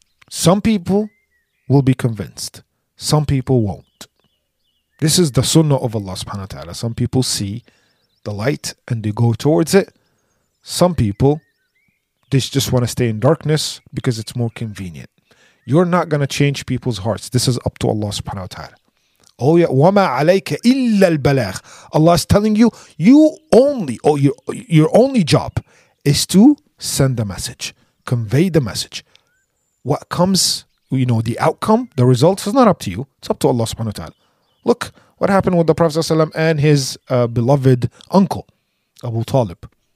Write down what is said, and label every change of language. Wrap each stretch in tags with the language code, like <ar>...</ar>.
<en>Some people will be convinced. Some people won't. This is the sunnah of Allah subhanahu wa ta'ala. Some people see the light and they go towards it. Some people, they just want to stay in darkness because it's more convenient. You're not going to change people's hearts. This is up to Allah subhanahu wa ta'ala.</en> <ar>Oh yeah, وَمَا عَلَيْكَ إِلَّا الْبَلَغْ.</ar> <en>Allah is telling you, your only job is to send the message, convey the message. What comes, the outcome, the results is not up to you. It's up to Allah subhanahu wa ta'ala. Look what happened with the Prophet ﷺ and his beloved uncle, Abu Talib.</en>